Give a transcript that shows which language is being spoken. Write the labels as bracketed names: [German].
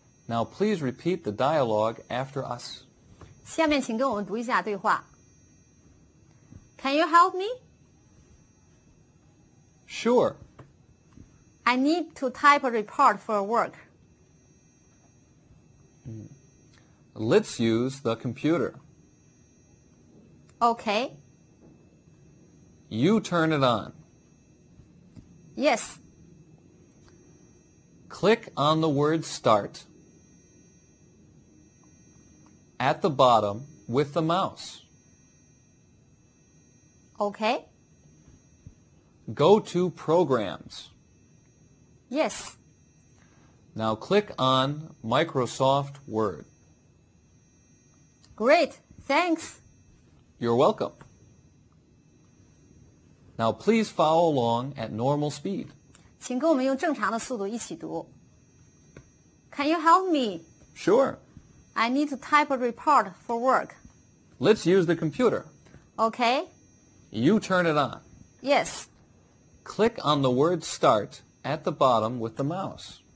[English] Now please repeat the dialogue after us. [Chinese] 下面请跟我们读一下对话。 [English] Can you help me? Sure. I need to type a report for work. Let's use the computer. Okay. You turn it on. Yes. Click on the word start. At the bottom with the mouse. Okay. Go to programs. Yes. Now click on Microsoft Word. Great, thanks. You're welcome. Now please follow along at normal speed. [Chinese] 请跟我们用正常的速度一起读。 [English] Can you help me? Sure. I need to type a report for work. Let's use the computer. Okay. You turn it on. Yes. Click on the word start at the bottom with the mouse.